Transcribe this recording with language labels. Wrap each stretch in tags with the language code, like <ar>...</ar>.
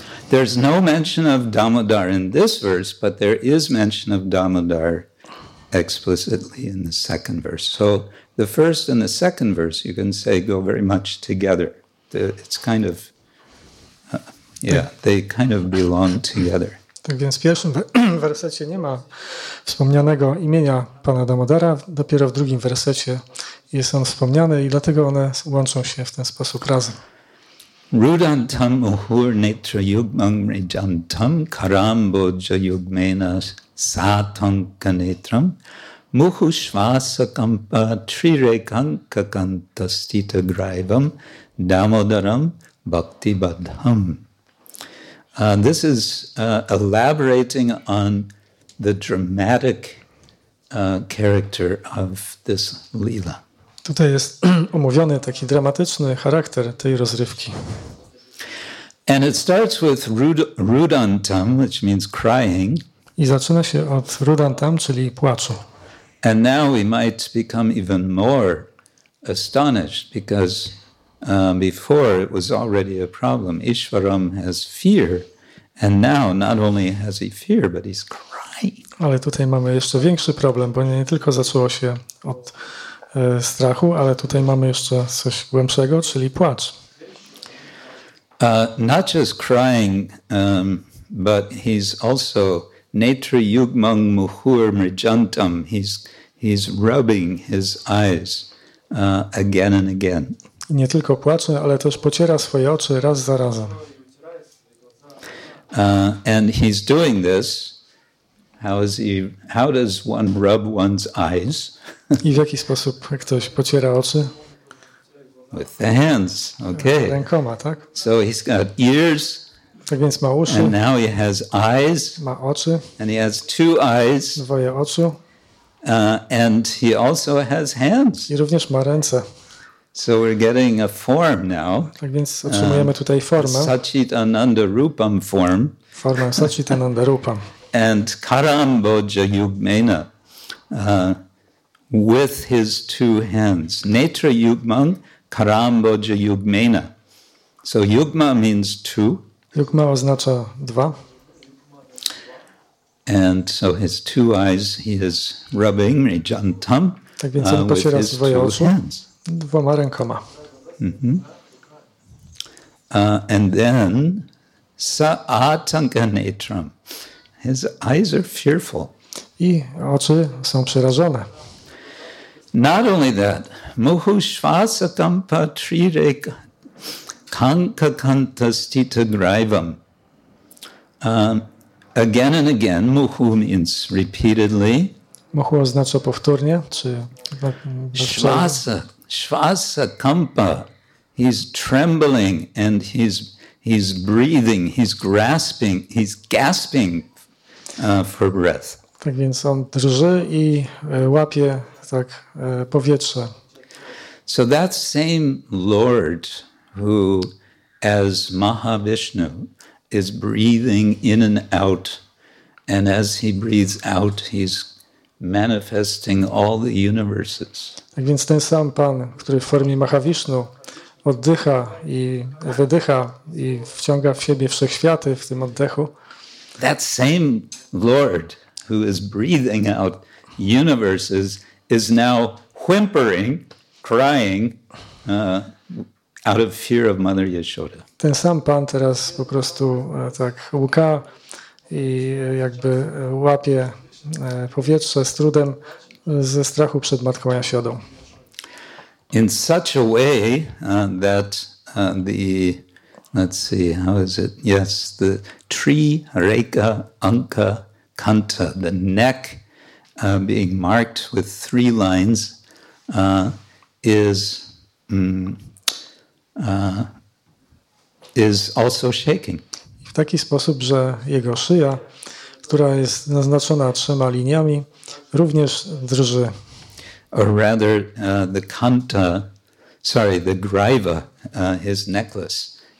<en>There's no mention of Damodar in this verse, but there is mention of Damodar explicitly in the second verse. So the first and the second verse, you can say, go very much together. It's kind of, they kind of belong together.</en> <pl>Tak więc w pierwszym wersecie nie ma wspomnianego imienia pana Damodara, dopiero w drugim wersecie jest on wspomniany I dlatego one łączą się w ten sposób razem.</pl> <sa>Rudantam uhur netra yugmam rejantam karambo jayugmena satanka netram muhu shvasa kampa trirekanka kantastita graivam damodaram bhakti badham.</sa> <en>This is elaborating on the dramatic character of this lila.</en> <pl>Tutaj jest omówiony taki dramatyczny charakter tej rozrywki.</pl> <en>And it starts with rudantam, which means crying.</en> <pl>I zaczyna się od rudantam, czyli płaczu.</pl> <en>And now we might become even more astonished because before it was already a problem. Ishwaram has fear. And now not only has he fear, but he's crying.</en> <pl>Ale tutaj mamy jeszcze większy problem, bo nie tylko zaczęło się od strachu, ale tutaj mamy jeszcze coś głębszego, czyli płacz.</pl> <en>Not just crying, but he's also</en> <sa>netra yugmam muhur mrijantam.</sa> <en>He's rubbing his eyes again and again.</en> <pl>I nie tylko płacze, ale też pociera swoje oczy raz za razem.</pl> <en>And he's doing this. How does one rub one's eyes?</en> <pl>I w jaki sposób ktoś pociera oczy?</pl> <en>With the hands, okay.</en> <pl>Rękoma, tak?</pl> <en>So he's got ears.</en> <pl>Tak więc ma uszy.</pl> <en>And now he has eyes.</en> <pl>Ma oczy.</pl> <en>And he has two eyes.</en> <pl>Dwoje oczu.</pl> <en>And he also has hands.</en> <pl>I również ma ręce.</pl> <en>So we're getting a form now.</en> <pl>Tak więc otrzymujemy tutaj formę.</pl> <sa>Sacit ananda rupam form.</sa> <pl>Formę sacit ananda rupam.</pl> <en>And</en> <sa>karambodja yugmena.</sa> <en>With his two hands.</en> <sa>Netra yugman, karambodja yugmena.</sa> <en>So yugma means two.</en> <pl>Yugma oznacza dwa.</pl> <en>And so his two eyes he is rubbing, rijantam,</en> <pl>tak więc on pociera swoje oczy dwoma rękoma.</pl> <en>And then sa atanka netram. His eyes are fearful.</en> <pl>I oczy są przerażone.</pl> <en>Not only that,</en> <sa>muhu shvasatam patrirek kanka kantastita graivam.</sa> <en>Again and again, muhu means repeatedly.</en> <pl>Muhu oznacza powtórnie, czy...</pl> <en>Shvasa, kampa. He's trembling and he's breathing, he's grasping, he's gasping for breath.</en> <pl>Tak więc on drży i łapie tak powietrze.</pl> <en>So that same Lord who as Mahavishnu is breathing in and out, and as he breathes out, he's manifesting all the universes.</en> <pl>Tak więc ten sam Pan, który w formie Mahavishnu oddycha i wydycha i wciąga w siebie wszechświaty w tym oddechu.</pl> <en>That same Lord who is breathing out universes is now whimpering, crying, out of fear of Mother Yashoda.</en> <pl>Ten sam Pan teraz po prostu tak łka i jakby łapie powietrze z trudem ze strachu przed Matką Yashodą.</pl> <en>In such a way that the, let's see, how is it? Yes, the tree, reka, anka, kanta, the neck being marked with three lines is also shaking.</en> <pl>W taki sposób, że jego szyja, która jest naznaczona trzema liniami, również drży.</pl> <en>Or rather, the kanta, sorry, the griva, his necklace.</en>